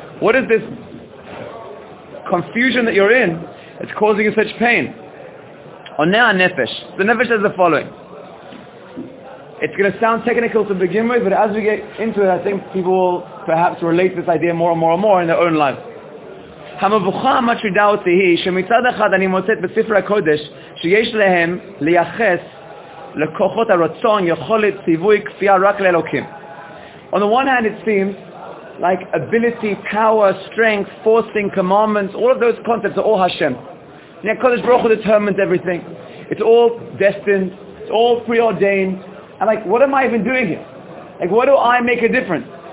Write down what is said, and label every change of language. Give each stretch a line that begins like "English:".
English: What is this confusion that you're in that's causing you such pain?
Hebrew: Onei ha-nefesh.
English: The nefesh says the following. It's going to sound technical to begin with, but as we get into it, I think people will perhaps relate this idea more and more and more in their own lives.
Hebrew: המבוכה המטרידה אותי היא שמצד אחד אני מוצאת בספר הקודש שיש להם לייחס לכוחות הרצון, יכולת, ציווי, כפייה רק לאלוקים.
English: On the one hand it seems like ability, power, strength, forcing, commandments, all of those concepts are all Hashem. Now Kodesh Baruch Hu determines everything. It's all destined. It's all preordained. I'm like, what am I even doing here? Like, what do I make a difference?